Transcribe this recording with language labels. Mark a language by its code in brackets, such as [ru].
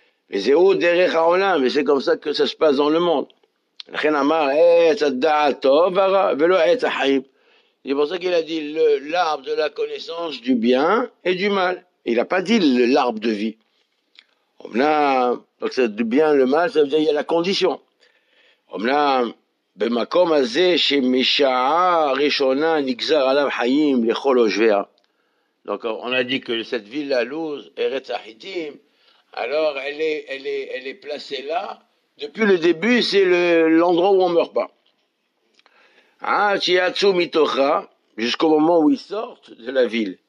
[fr] Les zéos derrière Haolam, mais c'est comme ça que ça se passe dans le monde. C'est pour ça qu'il a dit l'arbre de la connaissance du bien et du mal. Il n'a pas dit l'arbre de vie. Donc, c'est du bien, le mal, ça veut dire qu'il y a la condition. [he] במקום הזה שמשעה ראשונה נגזר עליו חיים לכל יושביה. [fr] Donc on a dit que cette ville la Luz Eretz Hittim, alors elle est placée là depuis le début, c'est l'endroit où on meurt pas. Ah, Tiatsu Mitocha, jusqu'au moment où ils sortent de la ville.